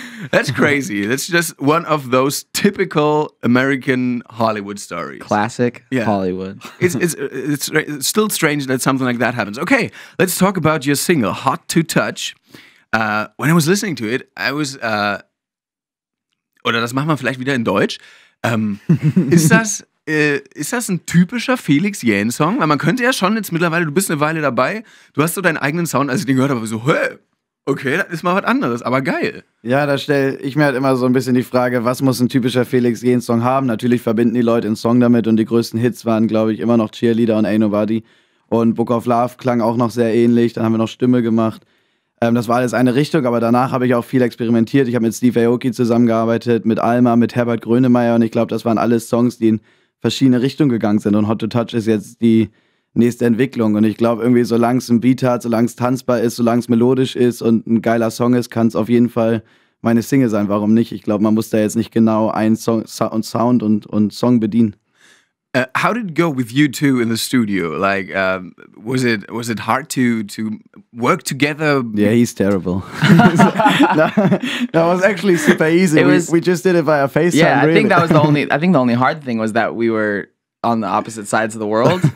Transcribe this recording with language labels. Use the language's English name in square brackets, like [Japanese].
[English] That's crazy. That's just one of those typical American Hollywood stories. Classic, yeah. Hollywood. It's still strange that something like that happens. Okay, let's talk about your single, Hot to Touch. When I was listening to it, I was... [German] oder das machen wir vielleicht wieder in Deutsch. Ist das ein typischer Felix Jaehn Song? Weil man könnte ja schon jetzt mittlerweile, du bist eine Weile dabei, du hast so deinen eigenen Sound, als ich den gehört habe, so, hey. Okay, das ist mal was anderes, aber geil. Ja, da stelle ich mir halt immer so ein bisschen die Frage, was muss ein typischer Felix Jaehn Song haben? Natürlich verbinden die Leute einen Song damit und die größten Hits waren, glaube ich, immer noch Cheerleader und Ain't Nobody. Und Book of Love klang auch noch sehr ähnlich, dann haben wir noch Stimme gemacht. Das war alles eine Richtung, aber danach habe ich auch viel experimentiert. Ich habe mit Steve Aoki zusammengearbeitet, mit Alma, mit Herbert Grönemeyer und ich glaube, das waren alles Songs, die in verschiedene Richtungen gegangen sind. Und Hot to Touch ist jetzt die... nächste Entwicklung. Und ich glaube, irgendwie, solange es ein Beat hat, solange es tanzbar ist, solange es melodisch ist und ein geiler Song ist, kann es auf jeden Fall meine Single sein. Warum nicht? Ich glaube, man muss da jetzt nicht genau einen Song und Sound und Song bedienen. [English] How did it go with you two in the studio? Like, was it hard to work together? Yeah, he's terrible. That was actually super easy. We just did it via FaceTime. Yeah, really. I think the only hard thing was that we were on the opposite sides of the world.